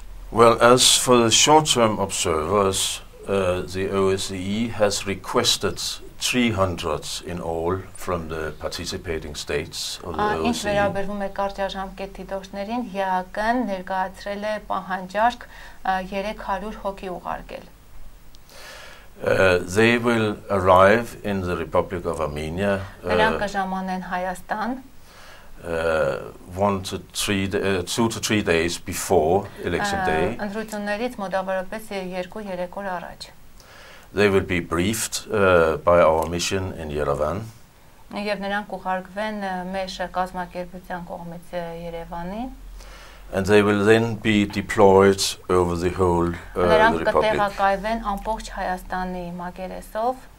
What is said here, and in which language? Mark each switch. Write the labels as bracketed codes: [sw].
[en] Well, as for the short-term observers, the OSCE has requested 300 in all from the participating states of the OSCE. [hy] Ինչ վերաբերում է կարճաժամկետի դիտողներին, ՀԱԿ-ն ներկայացրել է պահանջարկ 300 հոգի ուղարկել. [en] They will arrive in the Republic of Armenia. [hy] Նրանք կժամանեն Հայաստան. [en] 2 to 3 days before election day. [hy] Ընդրություններից մոտավորապես 2-3 օր առաջ. [en] They will be briefed by our mission in Yerevan. [hy] Եվ նրանք կուղարկվեն մեր կազմակերպության կողմից Երևանի. [en] And they will then be deployed over the whole the Republic. [hy] Նրանք կտեղակայվեն ամբողջ Հայաստանի մակերեսով.